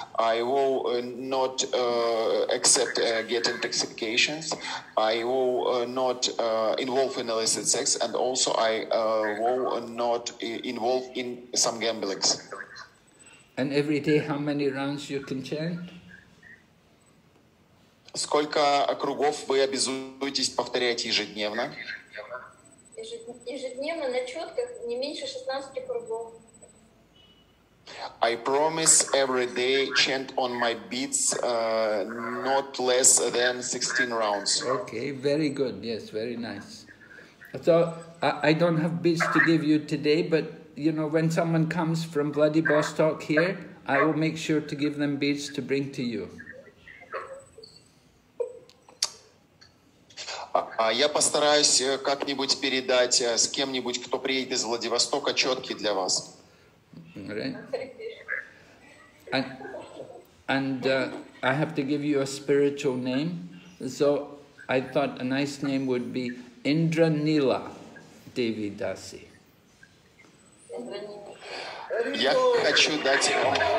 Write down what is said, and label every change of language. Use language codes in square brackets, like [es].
[en] I will not accept get intoxications. I will not involve in illicit sex. And also I will not involve in some gamblings. And every day how many rounds you can chant? [ru] Сколько кругов вы обязуетесь повторять ежедневно? Ежедневно на четках не меньше 16 кругов. [en] I promise every day chant on my beats not less than 16 rounds. Okay, very good. Yes, very nice. So I don't have beats to give you today, but you know when someone comes from Vladivostok here, I will make sure to give them beats to bring to you. [ru] Я постараюсь как-нибудь передать с кем-нибудь, кто приедет из Владивостока, четкие для вас. [en] I have to give you a spiritual name, so I thought a nice name would be Indra Nila Devi Dasi. [ru] Я хочу дать вам.